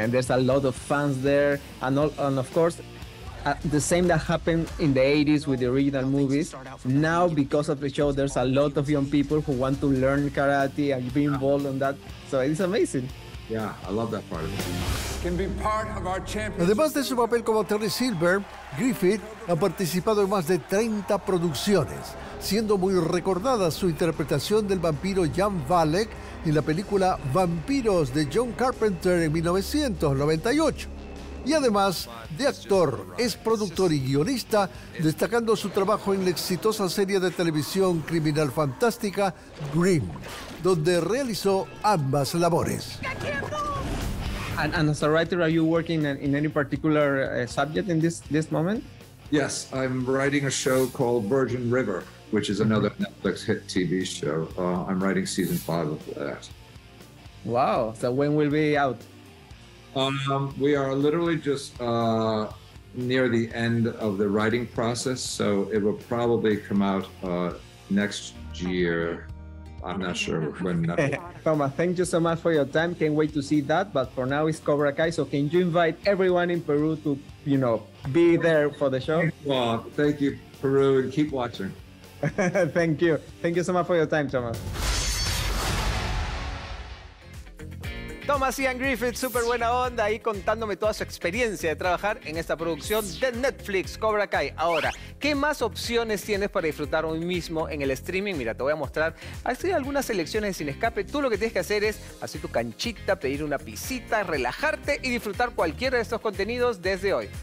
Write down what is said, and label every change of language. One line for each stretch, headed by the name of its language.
English: And there's a lot of fans there. And of course, the same that happened in the 80s with the original movies. Now, because of the show, there's a lot of young people who want to learn karate and be involved in that. So it's amazing. Yeah, I love that part of it.
Spanish: Además de su papel como Terry Silver, Griffith ha participado en más de 30 producciones, siendo muy recordada su interpretación del vampiro Jan Valek en la película Vampiros de John Carpenter en 1998. Y además de actor, es productor y guionista, destacando su trabajo en la exitosa serie de televisión criminal fantástica Grimm, donde realizó ambas labores.
English: And as a writer, are you working in any particular subject in this moment? Yes, I'm writing a show called Virgin River, which is another Netflix hit TV show. I'm writing season 5 of that. Wow, so when will be out? We are literally just near the end of the writing process, so it will probably come out next year. I'm not sure when. Thomas, thank you so much for your time. Can't wait to see that. But for now, it's Cobra Kai. So can you invite everyone in Peru to, you know, be there for the show? Well, thank you, Peru, and keep watching. Thank you. Thank you so much for your time, Thomas.
Spanish: Thomas Ian Griffith, súper buena onda, ahí contándome toda su experiencia de trabajar en esta producción de Netflix, Cobra Kai. Ahora, ¿qué más opciones tienes para disfrutar hoy mismo en el streaming? Mira, te voy a mostrar. Hay algunas selecciones de Sin Escape. Tú lo que tienes que hacer es hacer tu canchita, pedir una pisita, relajarte y disfrutar cualquiera de estos contenidos desde hoy.